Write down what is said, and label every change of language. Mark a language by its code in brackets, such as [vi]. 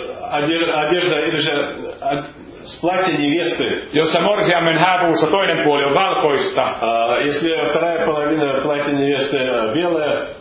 [ru] Одежда или же платье невесты. [fi] Jossa morsiamen hääpuussa toinen puoli on valkoista. [ru] Если вторая половина платья невесты белая.